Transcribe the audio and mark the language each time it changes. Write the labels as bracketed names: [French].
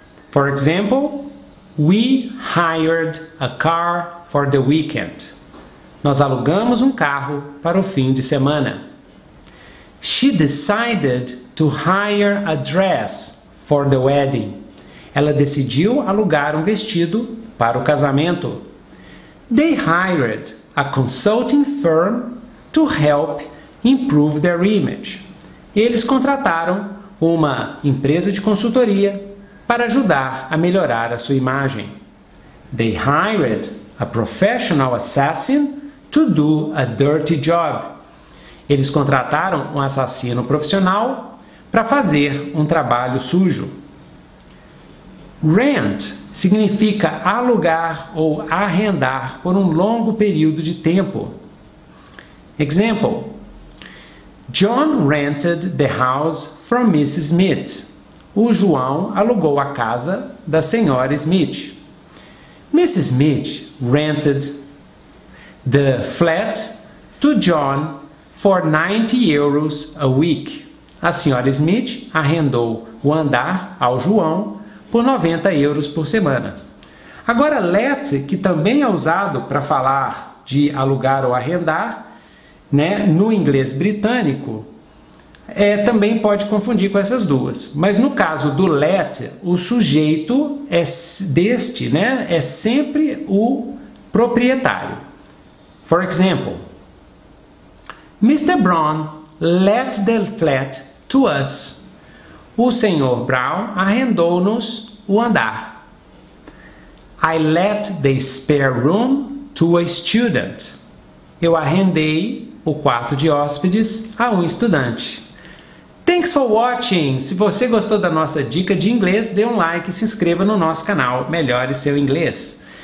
[English] For example, we hired a car for the weekend. [Portuguese] Nós alugamos um carro para o fim de semana. [English] She decided to hire a dress for the wedding. [Portuguese] Ela decidiu alugar um vestido para o casamento. [English] They hired a consulting firm to help improve their image. [Portuguese] Eles contrataram uma empresa de consultoria para ajudar a melhorar a sua imagem. [English] They hired a professional assassin to do a dirty job. [Portuguese] Eles contrataram um assassino profissional para fazer um trabalho sujo. Rent significa alugar ou arrendar por um longo período de tempo. [English] Example: John rented the house from Mrs. Smith. [Portuguese] O João alugou a casa da senhora Smith. [English] Mrs. Smith rented the flat to John for 90 euros a week. [Portuguese] A senhora Smith arrendou o andar ao João por 90 euros por semana. Agora, let, que também é usado para falar de alugar ou arrendar, né, no inglês britânico, também pode confundir com essas duas. Mas no caso do let, o sujeito é sempre o proprietário. [English] For example, Mr. Brown let the flat to us. [Portuguese] O senhor Brown arrendou-nos o andar. [English] I let the spare room to a student. [Portuguese] Eu arrendei o quarto de hóspedes a um estudante. [English] Thanks for watching! [Portuguese] Se você gostou da nossa dica de inglês, dê um like e se inscreva no nosso canal Melhore Seu Inglês.